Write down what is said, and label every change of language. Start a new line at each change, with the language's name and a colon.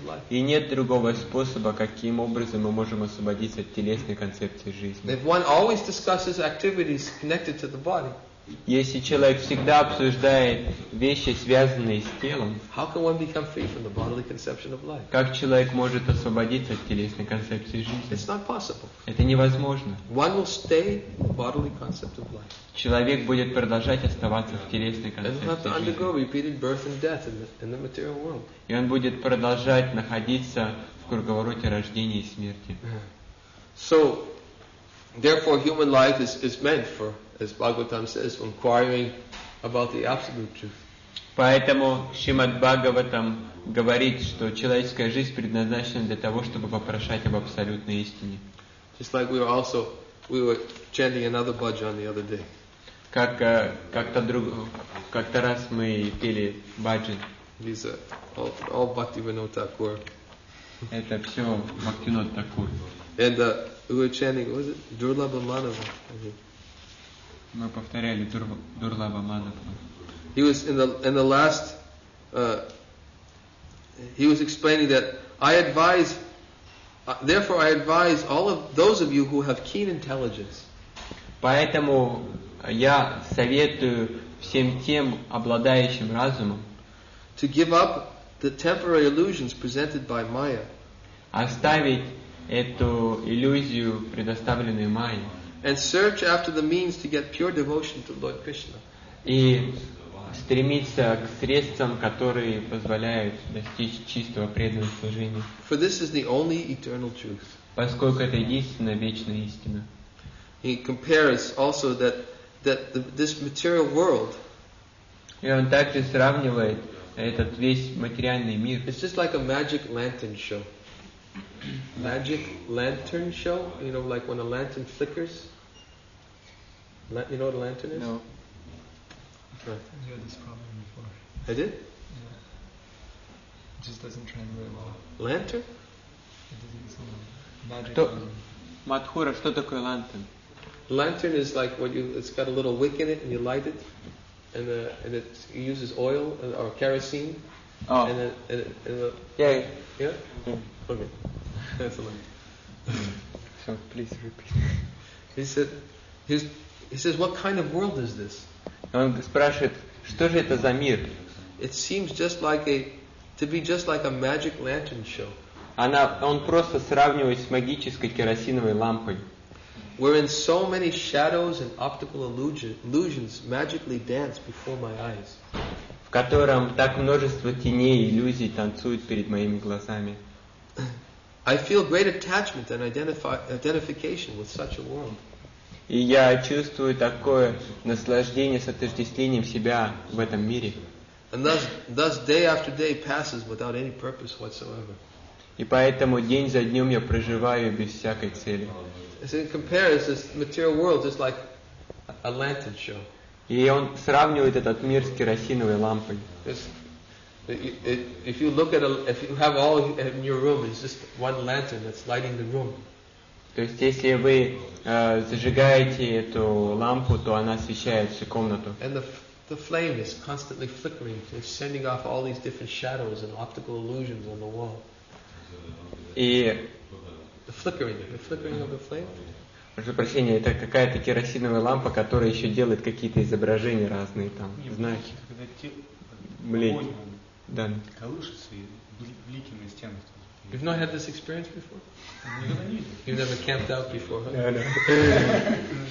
Russian: И нет другого способа, каким образом мы можем освободиться от телесной концепции жизни.
English: If one always discusses activities connected to the body,
Russian: если человек всегда обсуждает вещи, связанные с телом,
English: how can one become free from the bodily conception of life?
Russian: Как человек может освободиться от телесной концепции жизни?
English: It's not possible.
Russian: Это невозможно.
English: One will stay in the bodily concept of life.
Russian: Человек будет продолжать оставаться в телесной концепции жизни.
English: And he'll have to undergo repeated birth and death in the material world.
Russian: И он будет продолжать находиться в круговороте рождения и смерти.
English: So, therefore, human life is meant for, as Bhagavatam says, inquiring about the absolute truth.
Russian: Поэтому Шримад Бхагаватам говорит, что человеческая жизнь предназначена для того, чтобы вопрошать об абсолютной истине.
English: Just like we were chanting another bhajan the other day.
Russian: Как-то раз мы пели бхаджан.
English: These are all Bhaktivinoda Thakur.
Russian: Это все Bhaktivinoda Thakur.
English: And we were chanting, what was it? Durlabha Madhava.
Russian: Мы повторяли Дурлаба Мадхава.
English: He was in the last. He was explaining that I advise all of those of you who have keen intelligence.
Russian: Поэтому я советую всем тем обладающим разумом.
English: To give up the temporary illusions presented by Maya.
Russian: Оставить эту иллюзию, предоставленную Майей.
English: And search after the means to get pure devotion to Lord Krishna.
Russian: И стремиться к средствам, которые позволяют достичь чистого преданного служения.
English: For this is the only eternal truth.
Russian: Поскольку это единственная вечная истина.
English: He compares also that this material world.
Russian: И он также сравнивает этот весь материальный мир.
English: It's just like a magic lantern show. Magic lantern show, you know, like when a lantern flickers. You know what a lantern is? No. You had this problem before. I did? Yeah. It just doesn't translate well. Lantern? It doesn't sound like magic.
Russian: Madhura, что такое lantern?
English: Lantern is like what you, it's got a little wick in it and you light it and it uses oil or kerosene. So please repeat. He says, what kind of world is this?
Russian: Он спрашивает, что же это за мир?
English: It seems just like a magic lantern show.
Russian: Он просто сравнивает с магической керосиновой лампой.
English: Wherein so many shadows and optical illusions magically dance before my eyes.
Russian: В котором так множество теней и иллюзий танцуют перед моими глазами.
English: I feel great attachment and identification with such a world.
Russian: И я чувствую такое наслаждение с отождествлением себя в этом мире.
English: And thus day after day passes without any purpose whatsoever.
Russian: И поэтому день за днем я проживаю без всякой цели.
English: As in comparison, this material world is like a lantern show.
Russian: И он сравнивает этот мир с керосиновой лампой.
English: If you look at a, if you have all in your room, it's just one lantern that's lighting the room.
Russian: То есть если вы зажигаете эту лампу, то она освещает всю комнату.
English: And the flame is constantly flickering, it's sending off all these different shadows and optical illusions on the wall.
Russian: И
English: flickering of the flame.
Russian: Прошу прощения, это какая-то керосиновая лампа, которая еще делает какие-то изображения разные там, знаки. Когда блики, да. Колышется и блики на стенах.
English: You've not had this experience before? You've never camped out before, huh?